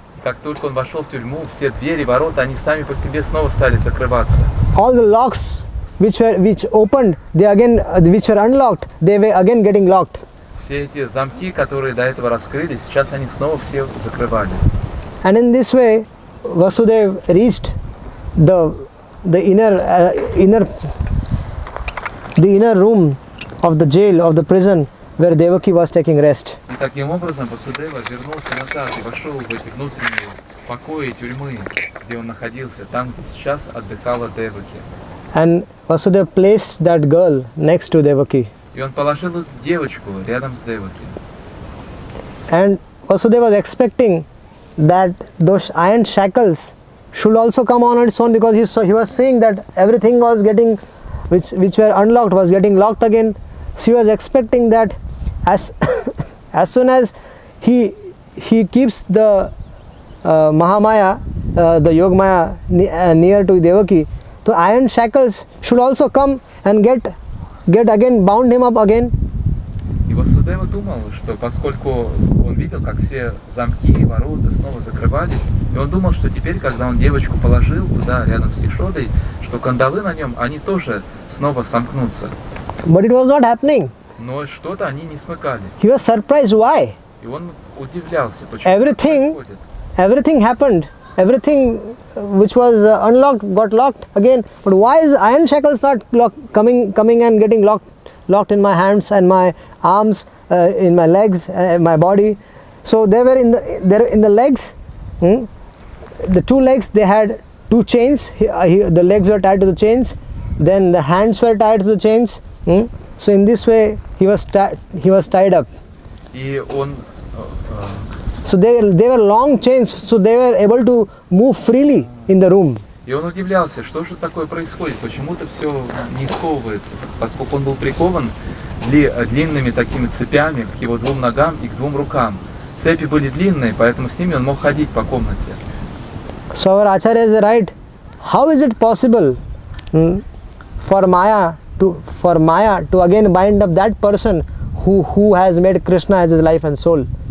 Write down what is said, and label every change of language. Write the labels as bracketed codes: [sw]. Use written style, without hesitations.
[ru] Как только он вошел в тюрьму, все двери, ворота, они сами по себе снова стали закрываться. [en] All the locks which were unlocked, they were again getting locked. [ru] Все эти замки, которые до этого раскрылись, сейчас они снова все закрывались. [en] And in this way, Vasudev reached the inner room of the jail of the prison where Devaki was taking rest. [ru] И таким образом Vasudeva вернулся назад и вошел в эти внутренние покои тюрьмы, где он находился, там сейчас отдыхала Devaki. [en] And Vasudev placed that girl next to Devaki. [ru] И он положил эту девочку рядом с Devaki. [en] And Vasudev was expecting that those iron shackles should also come on its own because he was seeing that everything was getting which were unlocked was getting locked again. So he was expecting that as soon as he keeps the Mahamaya, the Yogamaya near to Devaki, so iron shackles should also come and get again bound him up again. [ru] И Васудева думал, что поскольку он видел, как все замки и ворота снова закрывались, и он думал, что теперь, когда он девочку положил туда рядом с Яшодой, что кандалы на нем, они тоже снова сомкнутся. [en] But it was not happening. [ru] Но что-то они не смыкались. [en] He was surprised why? [ru] И он удивлялся, почему. [en] Everything happened. Everything which was unlocked got locked again. But why is iron shackles not coming and getting locked in my hands and my arms, in my legs, my body? So they were in the legs. The two legs, they had two chains. The legs were tied to the chains. Then the hands were tied to the chains. So in this way, he was tied up. So they were long chains, so they were able to move freely in the room. [ru] И он удивлялся, что же такое происходит, почему-то все не сковывается, поскольку он был прикован длинными такими цепями к его двум ногам и к двум рукам. Цепи были длинные, поэтому с ними он мог ходить по комнате. [en] So our Acharya is right. How is it possible for Maya to again bind up that person who has made Krishna as his life and soul?